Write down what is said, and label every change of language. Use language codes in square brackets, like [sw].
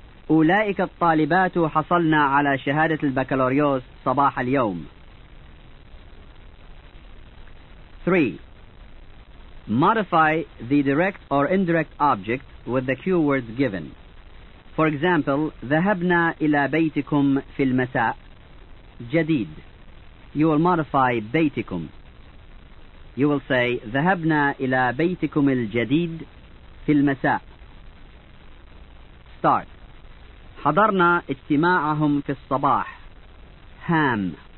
[ar] أولئك الطالبات حصلنا على شهادة البكالوريوس صباح اليوم. [en] 3. Modify the direct or indirect object with the keywords given. For example, [ar] ذهبنا إلى بيتكم في المساء. جديد. [en] You will modify بيتكم. You will say [ar] ذهبنا إلى بيتكم الجديد في المساء. [en] Start. [ar] حضرنا اجتماعهم في الصباح. هام.